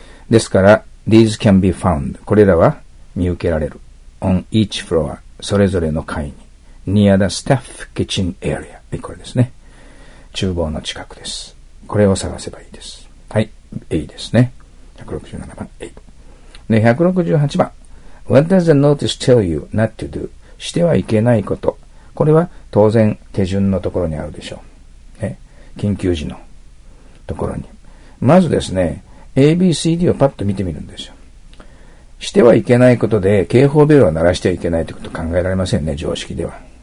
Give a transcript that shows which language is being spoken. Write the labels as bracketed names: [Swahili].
[Japanese] ですから、 [English] these can be found。 [Japanese] これらは見受けられる。 [English] on each floor、 [Japanese] それぞれの階に。 [English] near the staff kitchen area。 [Japanese] はい、これですね。厨房の近くです。これを探せばいいです。はい。A ですね。167番、A。で、168番。 [English] What does the notice tell you not to do? [Japanese] してはいけないこと。これは当然手順のところにあるでしょう。ね。緊急時のところに。まずですね、ABCD をパッと見てみるんですよ。してはいけないことで警報ベルを鳴らしてはいけないということは考えられませんね、常識では。